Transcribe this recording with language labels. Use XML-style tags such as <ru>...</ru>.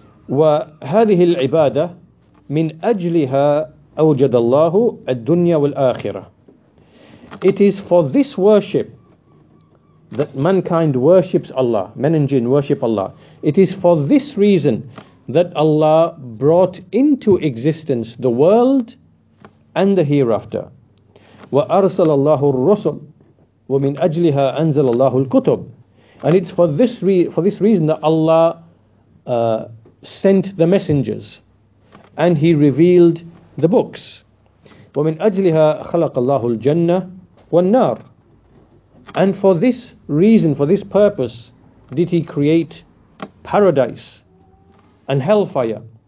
<ar>وَهَذِهِ الْعِبَادَةِ مِنْ أَجْلِهَا أَوْجَدَ اللَّهُ الدُّنْيَا وَالْآخِرَةِ.</ar> <en>It is for this worship that mankind worships Allah. Men and jinn worship Allah. It is for this reason that Allah brought into existence the world and the hereafter.</en> <ar>وَأَرْسَلَ اللَّهُ الرُّسُلُ وَمِنْ أَجْلِهَا أَنْزَلَ اللَّهُ الْكُتُبُ.</ar> <en>And it's for this reason that Allah sent the messengers, and he revealed the books.</en> <ar>وَمِنْ أَجْلِهَا خَلَقَ اللَّهُ الْجَنَّةِ وَالنَّارِ.</ar> <en>And for this reason, for this purpose, did he create paradise and hellfire.</en>